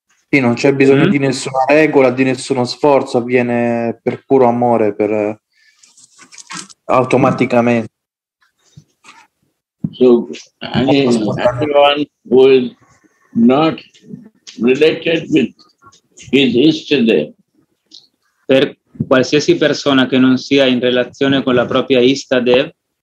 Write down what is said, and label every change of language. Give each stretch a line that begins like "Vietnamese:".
Italian: Sì, non c'è bisogno di nessuna regola, di nessuno sforzo, avviene per puro amore, per automaticamente.
English: So, anyone who is not related with his istide.
Italian: Per qualsiasi persona che non sia in relazione con la propria istade,